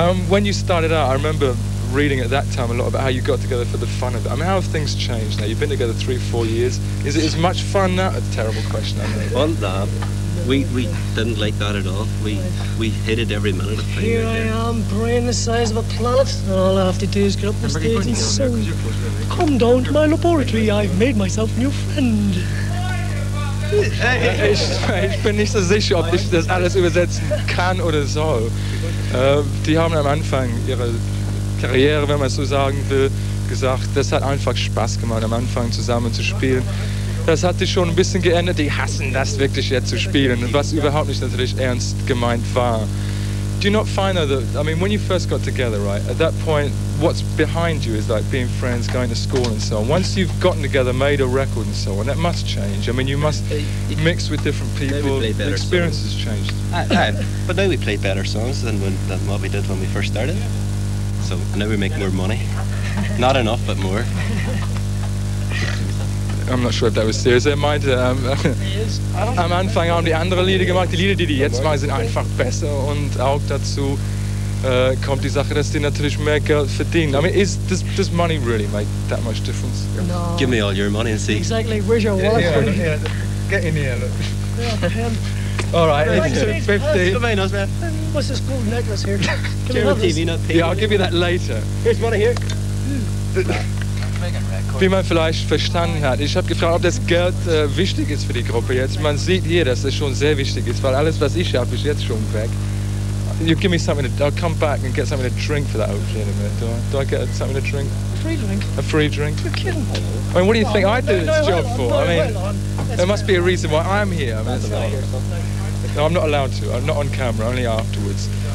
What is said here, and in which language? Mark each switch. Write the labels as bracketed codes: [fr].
[en] When you started out, I remember reading at that time a lot about how you got together for the fun of it. I mean, how have things changed now? You've been together 3-4 years. Is it as much fun now? A terrible question, I know. Well, we didn't like that at all. We hated every minute of playing. Here I am, brain the size of a planet, and all I have to do is get up the stage and sing. Come down to my laboratory, I've made myself a new friend. [de] Ich bin nicht so sicher, ob ich das alles übersetzen kann oder soll. Die haben am Anfang ihrer Karriere, wenn man so sagen will, gesagt, das hat einfach Spaß gemacht, am Anfang zusammen zu spielen. Das hat sich schon ein bisschen geändert. Die hassen das wirklich jetzt zu spielen, was überhaupt nicht natürlich ernst gemeint war. [en] Do you not find that, I mean, when you first got together, right, at that point, what's behind you is like being friends, going to school and so on. Once you've gotten together, made a record and so on, that must change. I mean, you must mix with different people. The experience songs. Has changed. But now we play better songs than what we did when we first started. So now we make more money. Not enough, but more. I'm not sure if that was serious. [de] Er meinte, am Anfang haben die anderen Lieder gemacht. Die Lieder, die jetzt machen, sind einfach besser. Und auch dazu kommt die Sache, dass die natürlich mehr Geld verdienen. [en] I mean, does money really make that much difference? No. Give me all your money and see. Exactly. Where's your wallet? Yeah, get in here, look. All right, it's 50. What's this gold necklace here? Can we have this? Yeah, I'll give you that later. Here's money here. [de] Wie man vielleicht verstanden hat, ich habe gefragt, ob das Geld wichtig ist für die Gruppe jetzt. Man sieht hier, dass es schon sehr wichtig ist, weil alles, was ich habe, ist jetzt schon weg. [en] You give me something, I'll come back and get something to drink for that hopefully in a minute. Do I get something to drink? A free drink? You're kidding. I mean, what do you think I do this job for? I mean, there must be a reason why I'm here. I mean, like, no, I'm not allowed to. I'm not on camera, only afterwards.